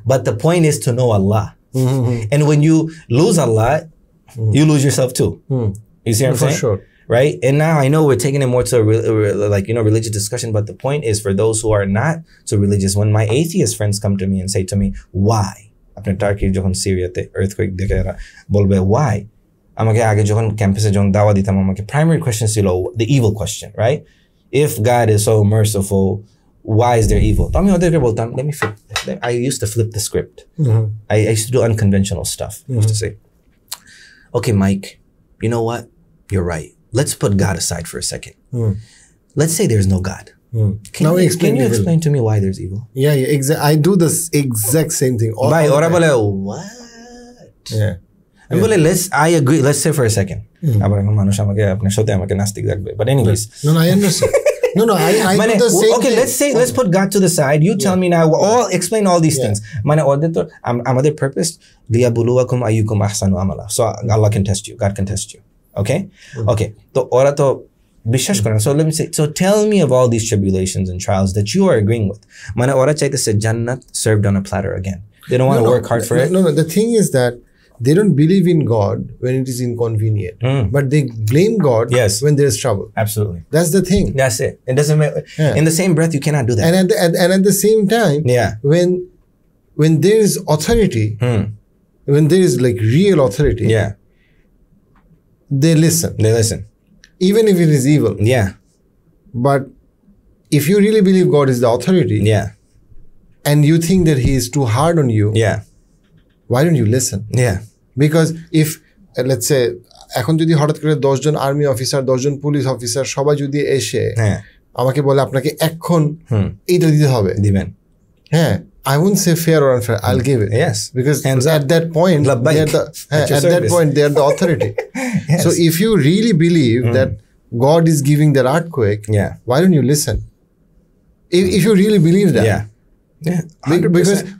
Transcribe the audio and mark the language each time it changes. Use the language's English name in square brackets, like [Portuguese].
[English] But the point is to know Allah. Mm-hmm. And when you lose Allah, you lose yourself too. Mm-hmm. You see what I'm saying? For sure. Right? And now I know we're taking it more to a religious discussion, but the point is for those who are not so religious, when my atheist friends come to me and say to me, why? [Bangla] আপনার টার্কির যখন সিরিয়াতে earthquake দেখে বলবে [English] why [Bangla] আমাকে আগে যখন ক্যাম্পাসে যখন দাওয়া দিতাম আমাকে প্রাইমারি কোয়েশ্চেন ছিল [English] the evil question right if God is so merciful why is there evil [Bangla] তো আমি ওদেরকে বলতাম [English] Let me flip I use to flip the script I use to do unconventional stuff okay Mike you know what you're right let's put God aside for a second let's say there is no God Can you explain to me why there's evil? Yeah, I do this exact same thing. [Bangla] Bhai, ora bole, [English] what? Yeah. I agree. Let's say for a second. But anyways. No, I understand. No, I mean, do the same thing. Okay, let's put God to the side. You tell me now. Explain all these things. [Bangla] Amader purpose, [Arabic] liyabuluwakum ayyukum ahsanu amala. [English] So Allah can test you. God can test you. Okay? Okay. So [Bangla] ora to... বিশ্বাস করেন [English] so let me say so tell me of all this tribulations and trials that you are agreeing with [Bangla] মানে ওরা চাইতেছে জান্নাত [English] Served on a platter again they don't want to work hard for it no no the thing is that they don't believe in God when it is inconvenient but they blame God when there is trouble absolutely that's the thing that's it it doesn't matter in the same breath you can not do that and at the same time when there is authority when there is like real authority they listen Even if it is evil. Yeah. But if you really believe God is the authority. Yeah. And you think that he is too hard on you. Yeah. Why don't you listen? Yeah. Because if, let's say, [Bangla] এখন যদি হঠাৎ করে 10 জন army officer 10 জন police officer সবাই যদি এসে আমাকে বলে আপনাকে এখন এইটা দিতে হবে দিবেন [English] হ্যাঁ I wouldn't say fair or unfair. I'll give it. Yes. Because hands at up. That point, that point, they are the authority. Yes. So if you really believe that God is giving that earthquake, why don't you listen? If you really believe that. Yeah. Yeah, 100%.